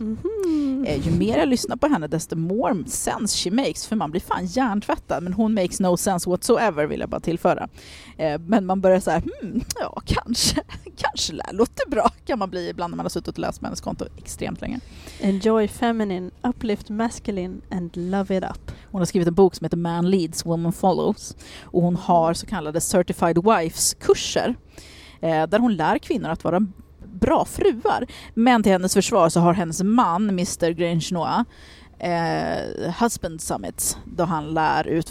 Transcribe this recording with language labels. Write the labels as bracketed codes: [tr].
[sv] Mm-hmm. Ju mer jag lyssnar på henne, desto [en] more sense she makes, [sv] för man blir fan hjärntvättad, men hon [en] makes no sense whatsoever, [sv] vill jag bara tillföra. Men man börjar så här, ja, kanske det låter bra, kan man bli ibland när man har suttit och läst med hennes konto extremt länge. [en] Enjoy feminine, uplift masculine and love it up. [sv] Hon har skrivit en bok som heter Man Leads, Woman Follows, och hon har så kallade [en] certified wives [sv] kurser där hon lär kvinnor att vara bra fruar. Men till hennes försvar så har hennes man, Mr. Grangenois, husband summits då han lär ut.